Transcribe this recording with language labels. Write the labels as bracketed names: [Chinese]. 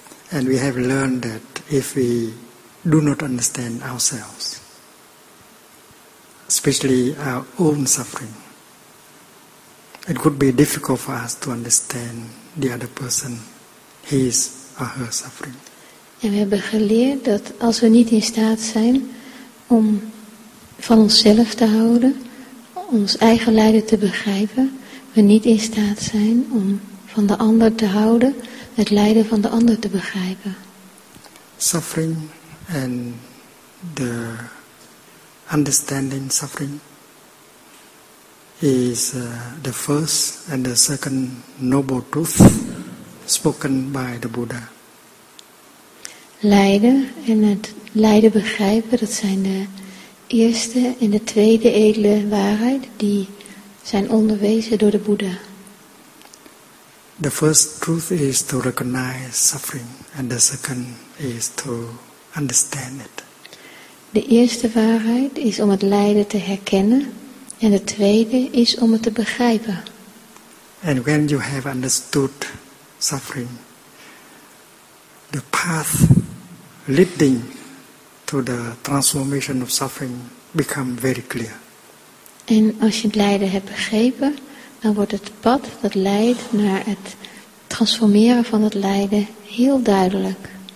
[English] And we have learned that if we do not understand ourselves, especially our own suffering, it could be difficult for us to understand the other person, his or her suffering. [Dutch] En we hebben geleerd dat als we niet in staat zijn om van onszelf te houden, ons eigen lijden te begrijpen, we niet in staat zijn om van de ander te houden, het lijden van de ander te begrijpen. [English] Suffering and the understanding suffering is the first and the second noble truth spoken by the Buddha. [Dutch] Lijden en het lijden begrijpen, dat zijn de eerste en de tweede edele waarheid die zijn onderwezen door de Buddha. [English] The first truth is to recognize suffering and the second is to understand it. [Dutch] De eerste waarheid is om het lijden te herkennen. En de tweede is om het te begrijpen. [English] And when you have understood suffering, the path leading to the transformation of suffering becomes very clear. [Dutch] En als je het lijden hebt begrepen, dan wordt het pad dat leidt naar het transformeren van het lijden heel duidelijk.